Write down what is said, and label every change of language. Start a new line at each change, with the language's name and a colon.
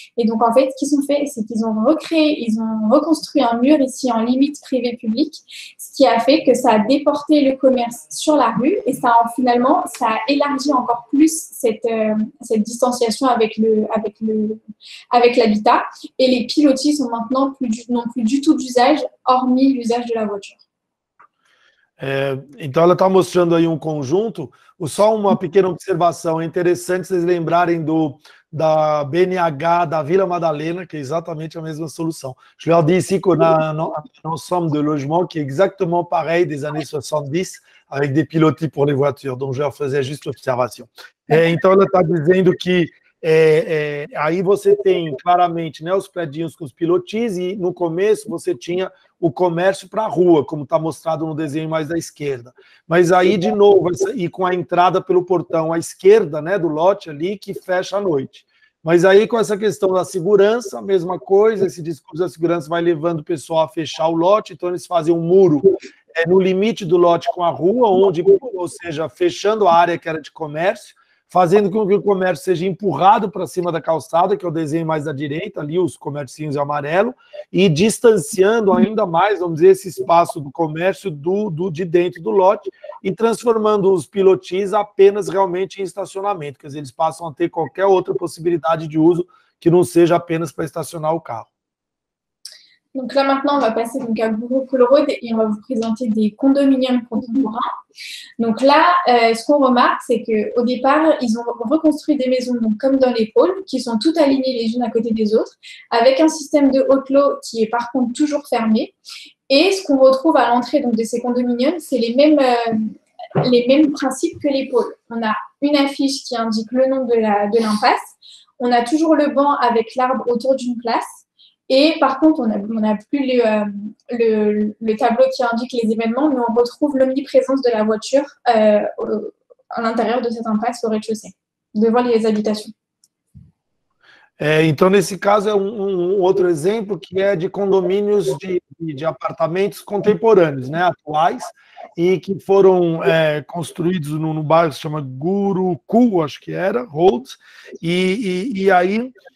French: Et donc, en fait, ce qu'ils ont fait, c'est qu'ils ont recréé, ils ont reconstruit un mur ici en limite privée-publique, ce qui a fait que ça a déporté le commerce sur la rue et ça, finalement, ça a élargi encore plus cette distanciation avec l'habitat. Et les pilotis sont maintenant n'ont plus du tout d'usage, hormis l'usage de la voiture.
Portuguese: Então ela está mostrando aí um conjunto. Só uma pequena observação, é interessante vocês lembrarem da BNH da Vila Madalena, que é exatamente a mesma solução.
French: Je leur dis ici qu'on a un ensemble de logements qui est exactement pareil des années 70, avec des pilotis pour les voitures, donc je leur faisais juste observação.
Portuguese: Então ela está dizendo que aí você tem claramente, né, os prédios com os pilotis e no começo você tinha o comércio para a rua, como está mostrado no desenho mais da esquerda. Mas aí, de novo, e com a entrada pelo portão à esquerda, né, do lote ali, que fecha à noite. Mas aí, com essa questão da segurança, a mesma coisa, esse discurso da segurança vai levando o pessoal a fechar o lote, então eles fazem um muro no limite do lote com a rua, onde, ou seja, fechando a área que era de comércio, fazendo com que o comércio seja empurrado para cima da calçada, que é o desenho mais da direita, ali os comércios amarelo, e distanciando ainda mais, vamos dizer, esse espaço do comércio de dentro do lote e transformando os pilotis apenas realmente em estacionamento, quer dizer, eles passam a ter qualquer outra possibilidade de uso que não seja apenas para estacionar o carro.
French: Donc là maintenant, on va passer donc à Bureau Colorado et on va vous présenter des condominiums contemporains. Donc là, ce qu'on remarque, c'est qu'au départ, ils ont reconstruit des maisons donc, comme dans les pôles, qui sont toutes alignées les unes à côté des autres, avec un système de haut-clos qui est par contre toujours fermé. Et ce qu'on retrouve à l'entrée donc, de ces condominiums, c'est les mêmes principes que les pôles. On a une affiche qui indique le nom de l'impasse. On a toujours le banc avec l'arbre autour d'une place. Et par contre, on a plus le tableau qui indique les événements, mais on retrouve l'omniprésence de la voiture à l'intérieur de cette impasse au rez-de-chaussée, devant les habitations.
Portuguese: Então, nesse caso, é um outro exemplo que é de condomínios de apartamentos contemporâneos, né, atuais, e que foram construídos no bairro que se chama Gurukul, acho que era, Holds, e aí...